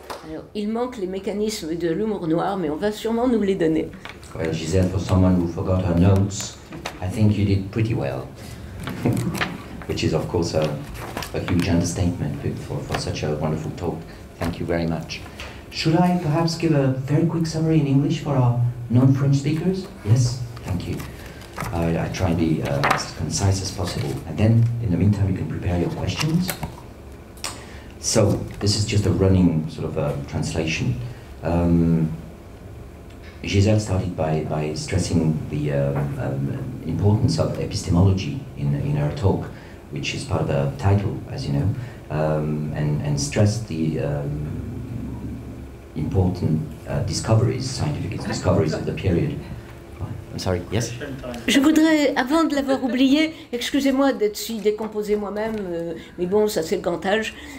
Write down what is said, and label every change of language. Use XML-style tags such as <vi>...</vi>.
<fr>Alors, il manque les mécanismes de l'humour noir, mais on va sûrement nous les donner.</fr> <en>Well, Gisèle, for someone who forgot her notes, I think you did pretty well. Which is, of course, a huge understatement for such a wonderful talk. Thank you very much. Should I perhaps give a very quick summary in English for our non-French speakers? Yes, thank you. I try to be as concise as possible. And then, in the meantime, you can prepare your questions. So, this is just a running sort of a translation. Gisèle started by stressing the importance of epistemology in her talk, which is part of the title, as you know, and stressed the important discoveries, scientific discoveries of the period. I'm sorry, yes.</en> <fr>Je voudrais, avant de l'avoir oublié, excusez-moi d'être si décomposée moi-même, mais bon, ça c'est le grand âge.</fr>